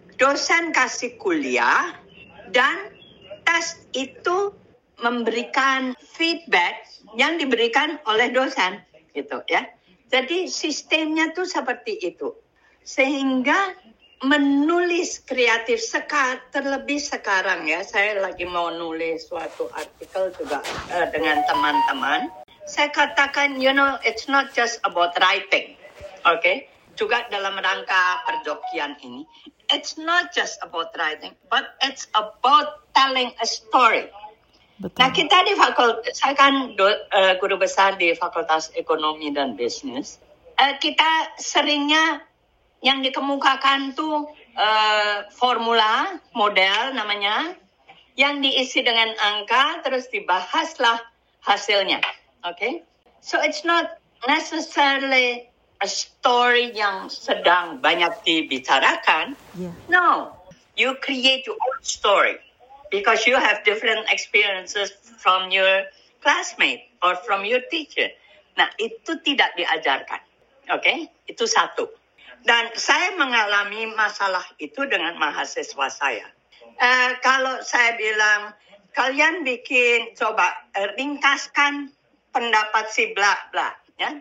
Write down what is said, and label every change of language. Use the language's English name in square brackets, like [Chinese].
[Indonesian] Dosen kasih kuliah dan tes itu memberikan feedback yang diberikan oleh dosen gitu ya. Jadi sistemnya tuh seperti itu. Sehingga menulis kreatif, terlebih sekarang ya, saya lagi mau nulis suatu artikel juga dengan teman-teman. Saya katakan, [English] you know, it's not just about writing, okay? [Indonesian] Juga dalam rangka perjokian ini, [English] it's not just about writing, but it's about telling a story. [Indonesian] Betul. Nah, kita di fakultas, saya kan guru besar di Fakultas Ekonomi dan Bisnis. Kita seringnya yang dikemukakan tuh formula, model namanya, yang diisi dengan angka, terus dibahaslah hasilnya. [English] Okay, so it's not necessarily a story [Indonesian] yang sedang banyak dibicarakan. [English] Yeah. No, you create your own story because you have different experiences from your classmate or from your teacher. [Indonesian] Nah, itu tidak diajarkan. Okay, itu satu. Dan saya mengalami masalah itu dengan mahasiswa saya. Kalau saya bilang, kalian bikin, coba ringkaskan pendapat si bla-bla, ya.